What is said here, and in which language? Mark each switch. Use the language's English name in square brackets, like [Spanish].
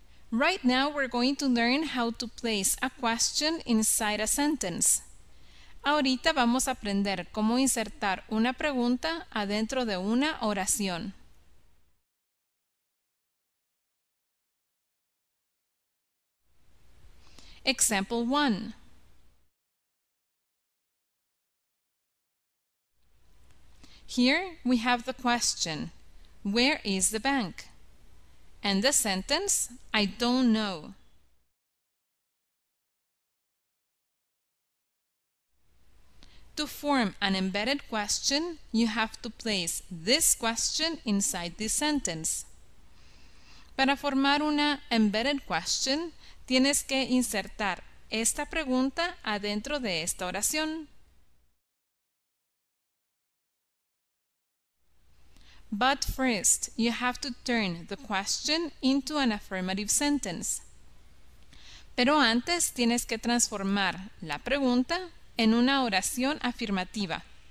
[English] Right now we're going to learn how to place a question inside a sentence. [Spanish] Ahorita vamos a aprender cómo insertar una pregunta adentro de una oración. [English] Example 1. Here we have the question, "Where is the bank?" And the sentence, "I don't know." To form an embedded question, you have to place this question inside this sentence. [Spanish] Para formar una embedded question, tienes que insertar esta pregunta adentro de esta oración. [English] But first, you have to turn the question into an affirmative sentence. [Spanish] Pero antes tienes que transformar la pregunta en una oración afirmativa.